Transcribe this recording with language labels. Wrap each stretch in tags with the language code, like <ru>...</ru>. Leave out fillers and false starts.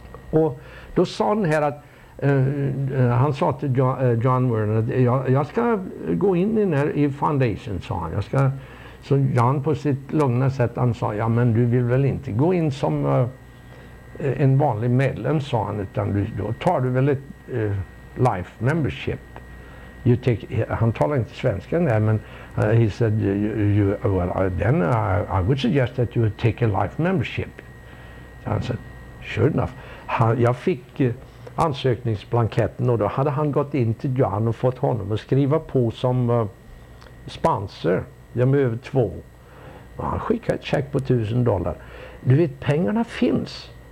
<sv>Och då sa han här att han sa till John Werner att jag ska gå in i den här i foundation, sa han. Så John på sitt lugna sätt, han sa, ja men du vill väl inte gå in som en vanlig medlem, sa han, utan då tar du väl ett life membership. Han talade inte svenska där, men</sv> <en>he said, I would suggest that you take a life membership.</en> <sv>Han sa,</sv> <en>sure enough.</en> <sv>Jag fick ansökningsblanketten, och då hade han gått in till John och fått honom att skriva på som sponsor. Jag behöver över två. Och han skickade ett check på $1,000. Du vet, pengarna finns.</sv>